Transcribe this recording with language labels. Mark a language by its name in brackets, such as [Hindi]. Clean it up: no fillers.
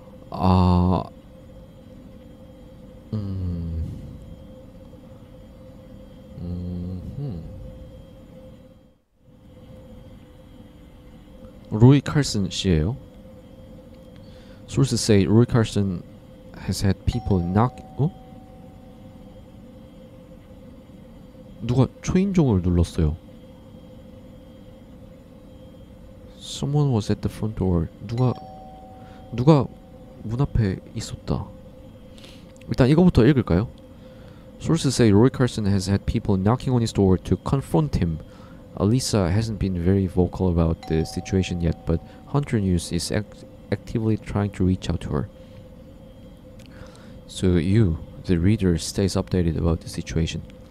[Korean] 아, 로이 칼슨 씨예요. [English] Sources say Roy Carson has had people knock. 어? [Korean] 누가 초인종을 눌렀어요. [English] Someone was at the front door. [Korean] 누가 문 앞에 있었다. 일단 이거부터 읽을까요? [English] Sources say Roy Carson has had people knocking on his door to confront him. Alyssa hasn't been very vocal about the situation yet, but Hunter News is actively trying to reach out to her. So you, the reader, stays updated about the situation.